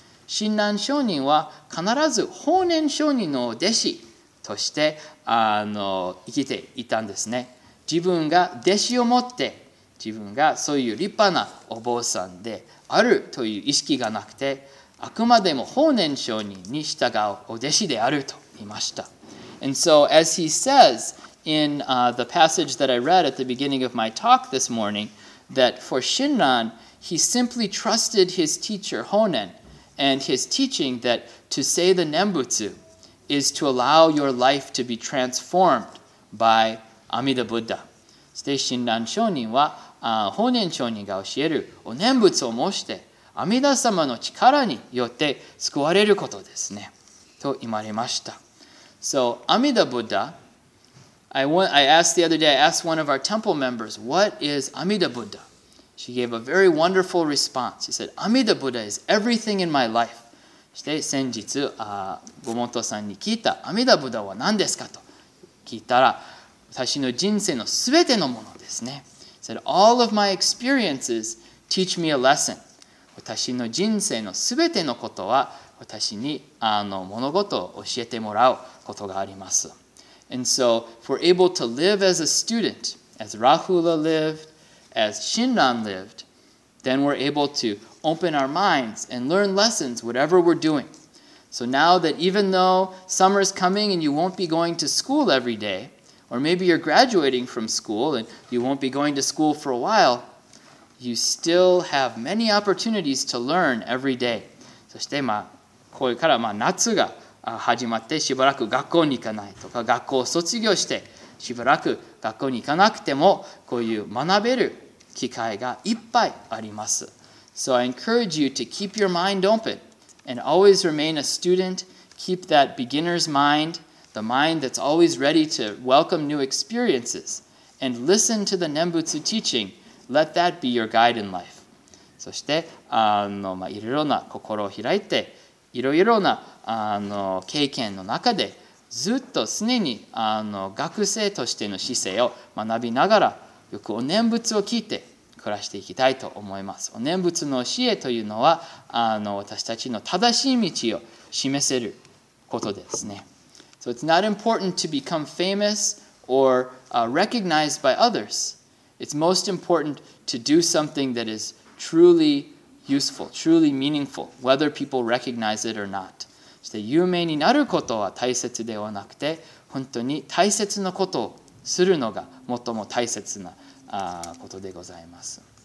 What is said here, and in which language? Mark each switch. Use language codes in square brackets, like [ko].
[ja] 親鸞聖人は必ず法然上人の弟子として、あの、生きていたんですね。自分が弟子を持って、自分がそういう立派なお坊さんであるという意識がなくて、あくまでも法然上人に従うお弟子であると言いました。 [en] And so, as he says in, the passage that I read at the beginning of my talk this morning, that for 親鸞He simply trusted his teacher, Honen, and his teaching that to say the Nembutsu is to allow your life to be transformed by Amida Buddha. [ja] そして、親鸞聖人は、法然上人が教えるお念仏を申して、阿弥陀様の力によって救われることですね。と言われました。 [en] So, Amida Buddha, I asked the other day, I asked one of our temple members, what is Amida Buddha? She gave a very wonderful response. She said, Amida Buddha is everything in my life. [ja] そして先日、Gomoto さんに聞いた Amida Buddha は何ですかと聞いたら、私の人生のすべてのものですね。 [en] She said, all of my experiences teach me a lesson. [ja] 私の人生のすべてのことは、私に物事を教えてもらうことがあります。 [en] And so, if we're able to live as a student, as Rahula lived, as Shinran lived, then we're able to open our minds and learn lessons, whatever we're doing. So now that even though summer is coming and you won't be going to school every day, or maybe you're graduating from school and you won't be going to school for a while, you still have many opportunities to learn every day. [ja] そしてまあこれからまあ夏が始まってしばらく学校に行かないとか学校を卒業してしばらく学校に行かなくてもこういう学べる機会がいっぱいあります。 [en] So I encourage you to keep your mind open and always remain a student. Keep that beginner's mind, the mind that's always ready to welcome new experiences. And listen to the Nembutsu teaching. Let that be your guide in life. [ja] そしてまあ、いろいろな心を開いて、いろいろな経験の中でずっと常に学生としての姿勢を学びながらよくお念仏を聞いて暮らしていきたいと思います。お念仏の教えというのは私たちの正しい道を示せることですね。 [en] So it's not important to become famous or recognized by others. It's most important to do something that is truly useful, truly meaningful, whether people recognize it or not. [ja] そして有名になることは大切ではなくて、本当に大切なことをするのが最も大切なことでございます。